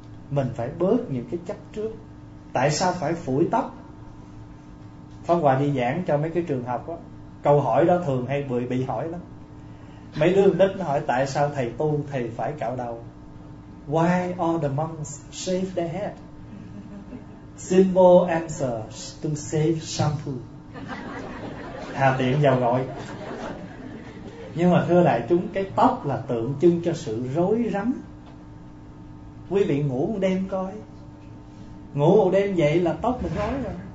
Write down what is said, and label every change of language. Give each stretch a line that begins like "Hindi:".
Vietnamese: Mình phải bớt những cái chấp trước. Tại sao phải phủi tóc? Pháp Hòa đi giảng cho mấy cái trường học đó, câu hỏi đó thường hay bị hỏi lắm. Mấy đứa đất nó hỏi tại sao thầy tu thầy phải cạo đầu.
English: Why all the monks shave their head? Simple answer: to save shampoo.
Vietnamese: Hà tiện vào gọi. Nhưng mà thưa đại chúng, cái tóc là tượng trưng cho sự rối rắm. Quý vị ngủ một đêm coi, ngủ một đêm vậy là tóc mình rối rồi.